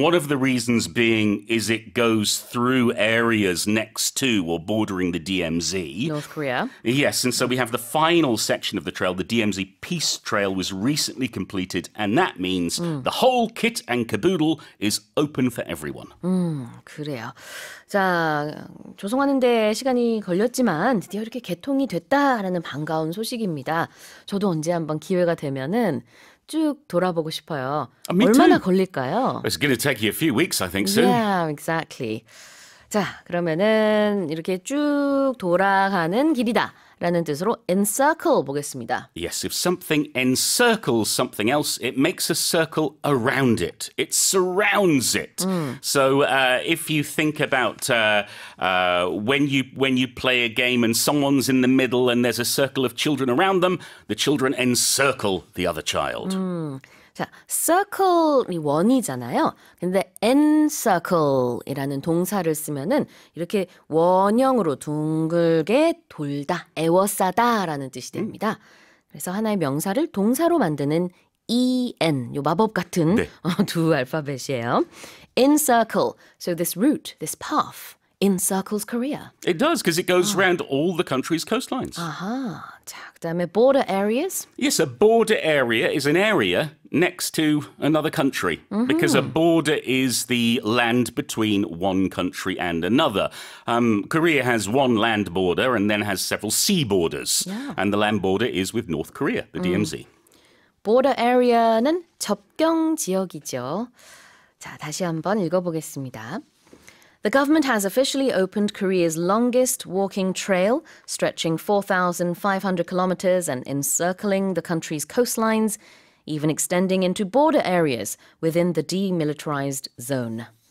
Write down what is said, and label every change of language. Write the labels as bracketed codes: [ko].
[en] One of the reasons being is it goes through areas next to or bordering the DMZ. North Korea. Yes, and so we have the final section of the trail, the DMZ Peace Trail, was recently completed, and that means the whole kit and caboodle is open for everyone. [ko] 그래요. 자, 조성하는 데 시간이 걸렸지만 드디어 이렇게 개통이 됐다라는 반가운 소식입니다. 저도 언제 한번 기회가 되면은 쭉 돌아보고 싶어요. [en] Me [ko] 얼마나 [en] too. [ko] 걸릴까요? [en] It's going to take you a few weeks, I think, soon. Yeah, exactly. [ko] 자, 그러면은 이렇게 쭉 돌아가는 길이다. 라는 뜻으로 encircle 보겠습니다. [en] Yes, if something encircles something else, it makes a circle around it. It surrounds it. So if you think about when you play a game and someone's in the middle and there's a circle of children around them, the children encircle the other child. [ko] 자, circle이 원이잖아요. 근데 encircle이라는 동사를 쓰면은 이렇게 원형으로 둥글게 돌다, 에워싸다라는 뜻이 됩니다. 그래서 하나의 명사를 동사로 만드는 en, 요 마법 같은 네. 두 알파벳이에요. [en] encircle, so this route, this path encircles Korea. It does, because it goes around all the country's coastlines. Aha. [ko] 자, 그다음에 [en] border areas. Yes, a border area is an area next to another country. Mm-hmm. Because a border is the land between one country and another. Korea has one land border and then has several sea borders. Yeah. And the land border is with North Korea, the DMZ. [ko] Border area는 접경 지역이죠. 자, 다시 한번 읽어보겠습니다. [en] The government has officially opened Korea's longest walking trail, stretching 4,500 kilometers and encircling the country's coastlines, even extending into border areas within the demilitarized zone.